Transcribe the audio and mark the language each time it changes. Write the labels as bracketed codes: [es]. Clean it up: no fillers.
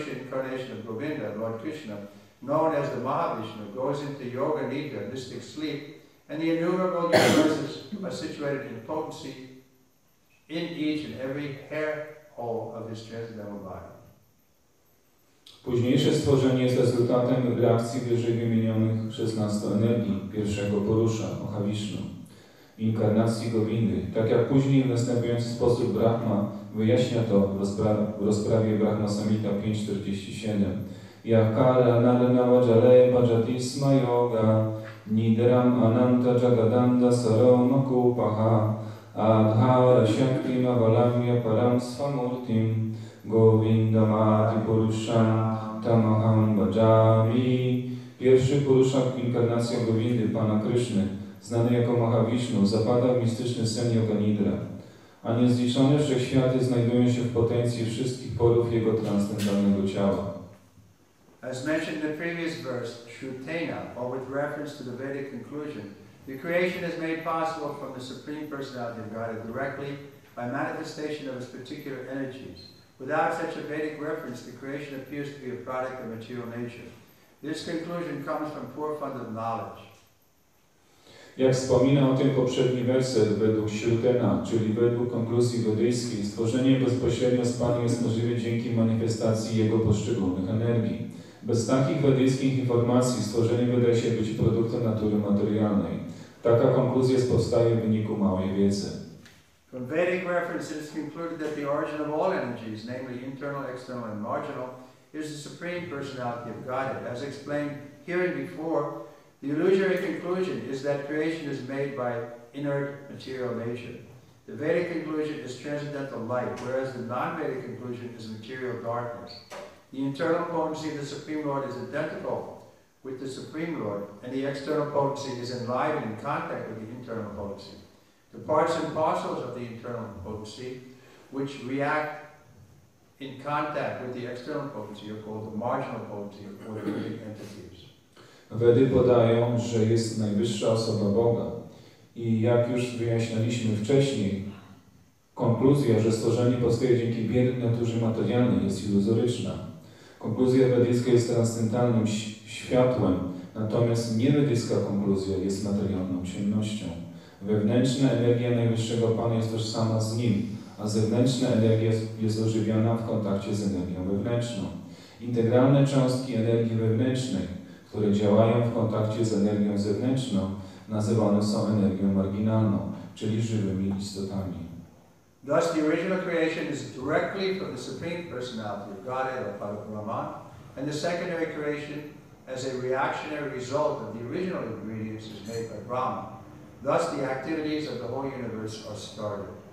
[en] incarnation of Govinda, Lord Krishna, known as the Mahavishnu, goes into yoga nidra, mystic sleep, and the innumerable universes are situated in potency in each and every hair hole of his transcendental body. [pl] Późniejsze stworzenie jest rezultatem reakcji wyżej wymienionych 16 energii pierwszego porusza, Mahavishnu, inkarnacji Govindy. Tak jak później w następujący sposób Brahma wyjaśnia to w rozprawie Brahma Samhita 5.47. [sa] Yakara naranava jalaya bhajatisma yoga nidram ananta jagadanda sarama kupaha adhara shaktim avalamya param svamurtim Govinda Madhi Purushan Tamaham Bhajami. [pl] Pierwszy Purusha, inkarnacja Govindy, Pana Kryszny, znany jako Mahavishnu, zapada w mistyczny sen Yoga Nidra. A niezliczone wszechświaty znajdują się w potencji wszystkich porów jego transcendentalnego ciała. [en] As mentioned in the previous verse, Shrutena, or with reference to the Vedic conclusion, the creation is made possible from the Supreme Personality of God directly by manifestation of his particular energies. Without such a Vedic reference, the creation appears to be a product of material nature. This conclusion comes from poor fundamental knowledge. [pl] Jak wspomina o tym poprzedni werset, według Śrutena, czyli według konkluzji wedyjskiej, stworzenie bezpośrednio z Panem jest możliwe dzięki manifestacji Jego poszczególnych energii. Bez takich wedyjskich informacji stworzenie wydaje się być produktem natury materialnej. Taka konkluzja powstaje w wyniku małej wiedzy. [en] From Vedic references concluded that the origin of all energies, namely internal, external, and marginal, is the Supreme Personality of Godhead. As explained here and before, the illusory conclusion is that creation is made by inert material nature. The Vedic conclusion is transcendental light, whereas the non-Vedic conclusion is material darkness. The internal potency of the Supreme Lord is identical with the Supreme Lord, and the external potency is enlivened in contact with the internal potency. The parts and parcels of the internal potency, which react in contact with the external potency, are called the marginal potency of ordinary entities. [pl] Wedy podają, że jest najwyższa osoba Boga. I jak już wyjaśnialiśmy wcześniej, konkluzja, że stworzenie powstaje dzięki biednej naturze materialnej, jest iluzoryczna. Konkluzja wedyjska jest transcendentalnym światłem, natomiast niewedyjska konkluzja jest materialną ciemnością. Wewnętrzna energia Najwyższego Pana jest tożsama z Nim, a zewnętrzna energia jest ożywiona w kontakcie z energią wewnętrzną. Integralne cząstki energii wewnętrznej, które działają w kontakcie z energią zewnętrzną, nazywane są energią marginalną, czyli żywymi istotami. [en] Thus the original creation is directly from the Supreme Personality of Godhead or Parabrahma, and the secondary creation as a reactionary result of the original ingredients is made by Brahma. Thus the activities of the whole universe are started.